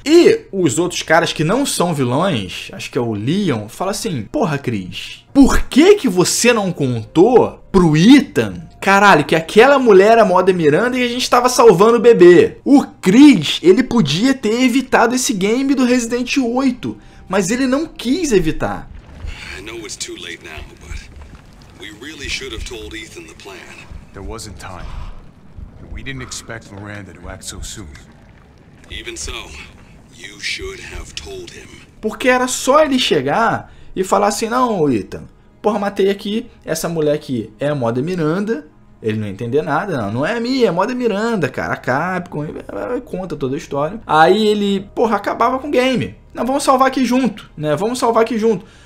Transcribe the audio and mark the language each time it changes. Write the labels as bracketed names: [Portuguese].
[Portuguese] E os outros caras que não são vilões, acho que é o Leon, fala assim: porra, Chris, por que que você não contou pro Ethan, caralho, que aquela mulher era a Moda Miranda e a gente tava salvando o bebê? O Chris, ele podia ter evitado esse game do Resident 8. Mas ele não quis evitar. [English] I know it's too late now, but we really should have told Ethan the plan. There wasn't time. We didn't expect Miranda to act so soon. Even so, you should have told him. [Portuguese] Porque era só ele chegar e falar assim: não, Ethan, porra, matei aqui essa mulher aqui, é a Moda Miranda. Ele não entendeu nada, não. Não é a minha, é a Moda Miranda, cara. A Capcom, conta toda a história. Aí ele, porra, acabava com o game. Não, vamos salvar aqui junto, né? Vamos salvar aqui junto.